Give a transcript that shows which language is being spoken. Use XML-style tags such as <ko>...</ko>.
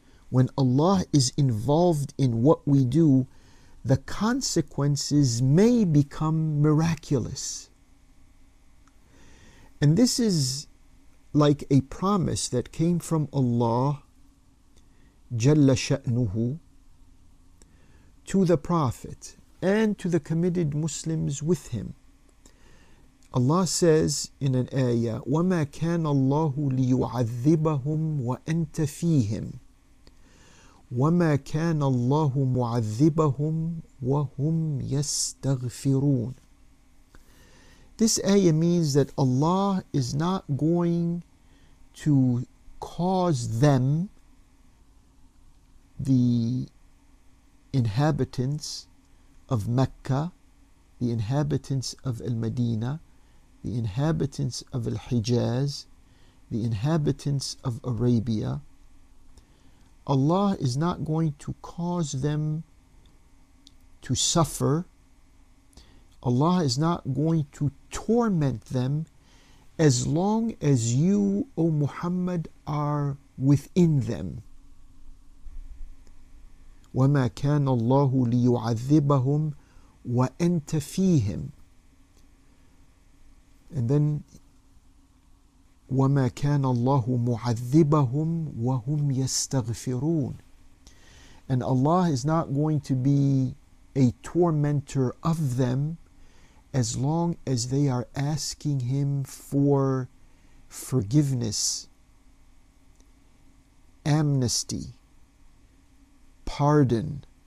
<en>When Allah is involved in what we do, the consequences may become miraculous. And this is like a promise that came from Allah Jalla Sha'nuhu to the Prophet and to the committed Muslims with him. Allah says in an ayah,</en> <ar>وَمَا كَانَ اللَّهُ لِيُعَذِّبَهُمْ وَأَنْتَ فِيهِمْ وَمَا كَانَ اللَّهُ مُعَذِّبَهُمْ وَهُمْ يَسْتَغْفِرُونَ.</ar> <en>This ayah means that Allah is not going to cause them, the inhabitants of Mecca, the inhabitants of Al-Madina, the inhabitants of Al-Hijaz, the inhabitants of Arabia, Allah is not going to cause them to suffer. Allah is not going to torment them as long as you, O Muhammad, are within them.</en> <ar>وَمَا كَانَ اللَّهُ لِيُعَذِّبَهُمْ وَأَنْتَ فِيهِمْ.</ar> <en>And then,</en> <ar>وَمَا كَانَ اللَّهُ مُعَذِّبَهُمْ وَهُمْ يَسْتَغْفِرُونَ.</ar> <en>And Allah is not going to be a tormentor of them as long as they are asking Him for forgiveness, amnesty, pardon.</en>